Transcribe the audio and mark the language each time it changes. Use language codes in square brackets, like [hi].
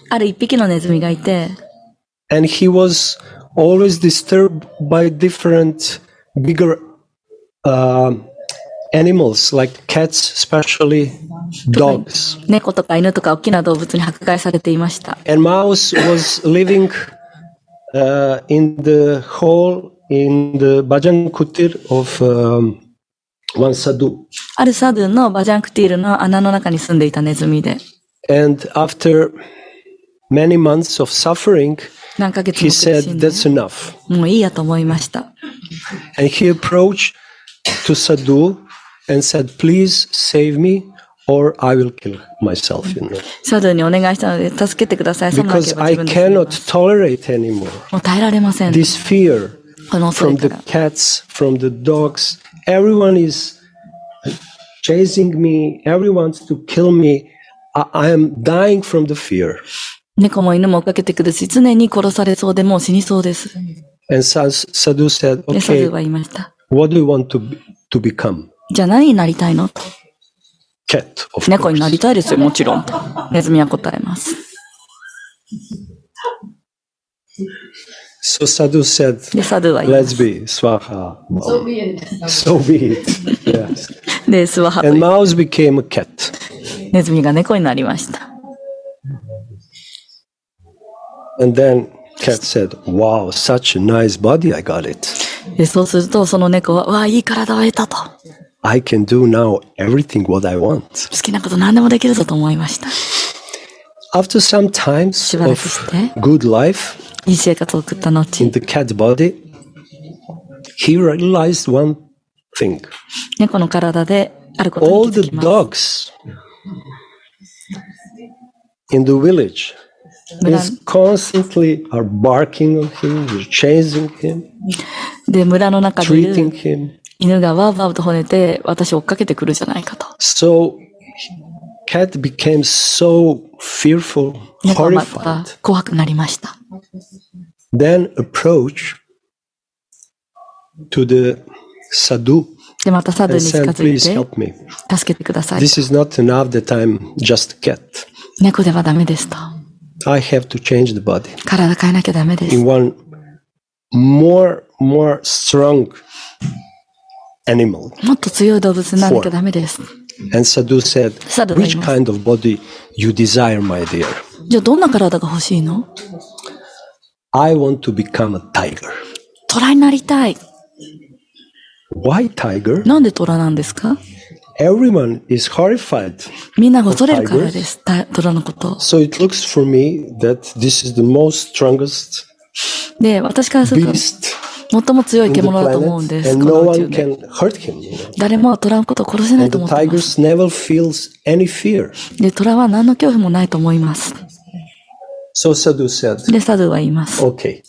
[ja] ある一匹のネズミがいて。 [en] And he was always disturbed by different bigger, animals, like cats, especially dogs. [ja] 猫とか犬とか大きな動物に迫害されていました。 [en] And mouse was living, in the hall in the Bhajan Kutir of, One sadhu. [ja] あるサドゥのバジャンクティールの穴の中に住んでいたネズミで。 [en] And after many months of suffering, [ja] 何ヶ月も苦しんで、 [en] he said, "That's enough." [ja] もういいやと思いました。 [en] And he approached to sadhu and said, "Please save me, or I will kill myself." You know. [ja] サドゥにお願いしたので助けてください。 [en] Because I cannot tolerate anymore. [ja] もう耐えられません。 [en] This fear from the cats, from the dogs. Everyone is chasing me. Everyone wants to kill me. I am dying from the fear. [ja] 猫も犬も追っかけてくるし、常に殺されそうでもう死にそうです。 [en] And Sadhu said, "Okay, what do you want to become?" [ja] じゃあ何になりたいの？と。 [en] Cat, of course. [ja] 猫になりたいですよ、もちろん。と。ネズミは答えます。 [en] So Sadhu said, [ja] で、サドゥは言います [en] 。 Let's be Swaha. So be it. So be it. Yes. [ja] で、スワハ。 [en] And mouse became a cat. [ja] ネズミが猫になりました。 [en] And then cat said, "Wow, such a nice body I got it." [ja] で、そうするとその猫は、わあ、いい体を得たと。 [en] I can do now everything what I want. [ja] 好きなこと何でもできるぞと思いました。 [en] After some times of good life. [ja] いい生活を送った後、 [en] in the cat body, he realized one thing. [ja] 猫の体であることに気づきます。 [en] All the dogs in the village is constantly are barking on him, chasing him. [ja] で、村の中で [en] treating him. [ja] 犬がワーワーと吠えて私を追っかけてくるじゃないかと。 [en] So cat became so fearful, horrified. [ja] 猫はまた怖くなりました。 [en] Then approach to the sadhu. [ja] でまたサドゥに近づいて、 [en] Please help me. [ja] 助けてください。 [en] This is not enough that I'm just a cat. [ja] 猫ではダメですと。 [en] I have to change the body. [ja] 体変えなきゃダメです。 [en] In one more strong animal. [ja] もっと強い動物になるきゃダメです。 [en] And sadhu said, Which kind of body you desire, my dear? [ja] じゃあどんな体が欲しいの？ [en] I want to become a tiger. [ja] トラになりたい。 [en] Why tiger? [ja] なんで虎なんですか? [en] Everyone is horrified. [ja] みんな恐れるからです。虎のこと。 [en] So it looks for me that this is the most strongest. [ja] で、私からすると最も強い獣だと思うんです。 [en] And no one can hurt him. [ja] 誰も虎のことを殺せないと思う。 [en] The tigers never feels any fear. [ja] で、虎は何の恐怖もないと思います。 [en] So Sadhu said. [ja] で、サドゥは言います。 [en] Okay.